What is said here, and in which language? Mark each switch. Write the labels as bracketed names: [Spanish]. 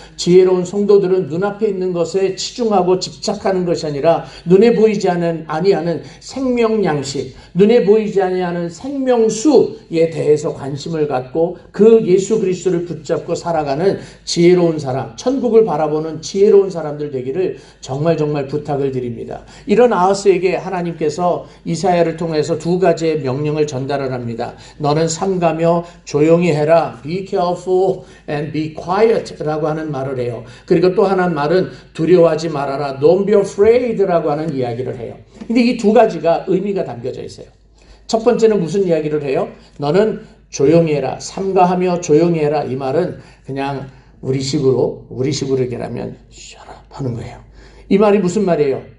[Korean] 지혜로운 성도들은 눈앞에 있는 것에 치중하고 집착하는 것이 아니라 눈에 보이지 않는 아니하는 생명 양식, 눈에 보이지 아니하는 생명수에 대해서 관심을 갖고 그 예수 그리스도를 붙잡고 살아가는 지혜로운 사람, 천국을 바라보는 지혜로운 사람들 되기를 정말 정말 부탁을 드립니다. 이런 아하스에게 하나님께서 이사야를 통해서 두 가지의 명령을 전달을 합니다. 너는 삼가며 조용히 해라. [English] Be careful and be quiet [Korean] 라고 하는 말을 해요. 그리고 또 하나 말은 두려워하지 말아라. [English] Don't be afraid [Korean] 라고 하는 이야기를 해요. 근데 이두 가지가 의미가 담겨져 있어요. 첫 번째는 무슨 이야기를 해요? 너는 조용히 해라. 삼가하며 조용히 해라. 이 말은 그냥 우리식으로 얘기하면 [English] shut up [Korean] 하는 거예요. 이 말이 무슨 말이에요?